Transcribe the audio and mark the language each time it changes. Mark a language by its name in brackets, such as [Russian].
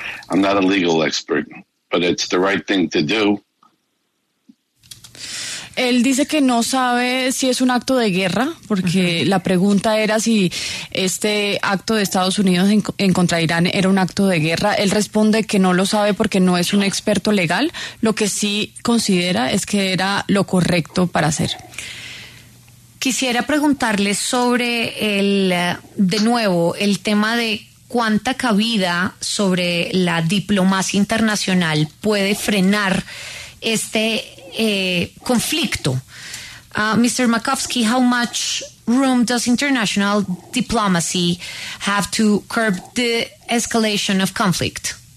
[English] I'm not a legal expert, but it's the right thing to do. [Spanish] Él dice que no sabe si es un acto de guerra, porque la pregunta era si este acto de Estados Unidos en contra Irán era un acto de guerra. Él responde que no lo sabe porque no es un experto legal. Lo que sí considera es que era lo correcto para hacer. Quisiera preguntarle sobre el tema de cuánta cabida sobre la diplomacia internacional puede frenar este conflicto. [English] Mr. Makovsky, how much room does international diplomacy have to curb the escalation of conflict?